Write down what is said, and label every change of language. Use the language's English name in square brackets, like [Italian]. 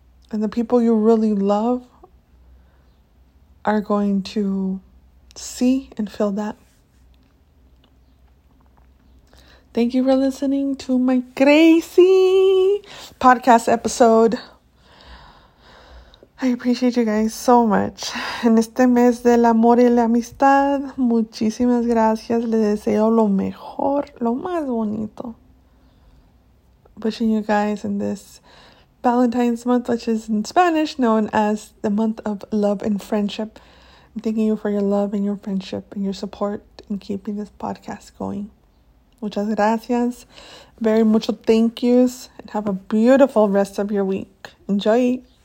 [English] And the people you really love are going to see and feel that. Thank you for listening to my crazy podcast episode. I appreciate you guys so much. [Spanish] En este mes del amor y la amistad, muchísimas gracias. Les deseo lo mejor, lo más bonito. [English] Wishing you guys in this Valentine's month, which is in Spanish known as the month of love and friendship. I'm thanking you for your love and your friendship and your support in keeping this podcast going. [Spanish] Muchas gracias. [English] Very mucho thank yous. And have a beautiful rest of your week. Enjoy.